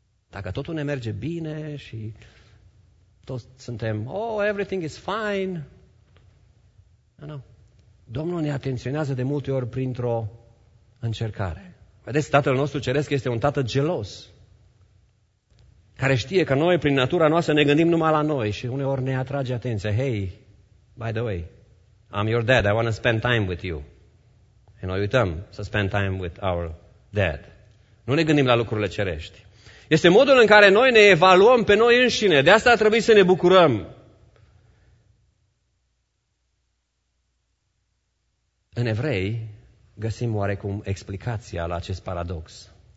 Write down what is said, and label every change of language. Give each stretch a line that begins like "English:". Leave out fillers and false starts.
Romanian: Dacă totul ne merge bine și toți suntem,
English: oh, everything is fine. No.
Romanian: Domnul ne atenționează de multe ori printr-o încercare. Vedeți, Tatăl nostru Ceresc este un tată gelos, care știe că noi, prin natura noastră, ne gândim numai la noi și uneori ne atrage atenția.
English: Hey, by the way, I'm your dad, I want to spend time with you.
Romanian: Și noi uităm să
English: spend time with our dad.
Romanian: Nu ne gândim la lucrurile cerești. Este modul în care noi ne evaluăm pe noi înșine. De asta trebuie să ne bucurăm. În Evrei găsim oarecum explicația la acest paradox.